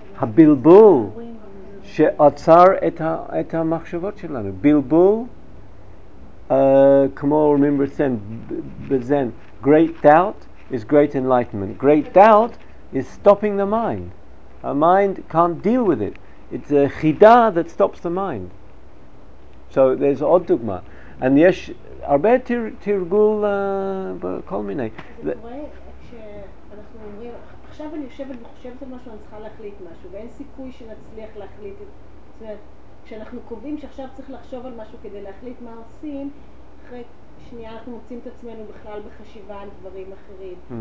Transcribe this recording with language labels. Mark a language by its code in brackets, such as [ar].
[he] הבלבול שעצר את המחשבות שלנו. בלבול, כמו אומרים בזן, [en] great doubt is great enlightenment. Great doubt is stopping the mind. A mind can't deal with it. It's a chida that stops the mind. So there's [he] עוד דוגמה. [en] And [he] יש הרבה תרגול בכל מיני. זה קורה כשאנחנו אומרים, עכשיו אני יושבת וחושבת על משהו, אני צריכה להחליט משהו, ואין סיכוי שנצליח להחליט. זאת אומרת, כשאנחנו קובעים שעכשיו צריך לחשוב על משהו כדי להחליט מה עושים, אחרי שנייה אנחנו מוצאים את עצמנו בכלל בחשיבה על דברים אחרים.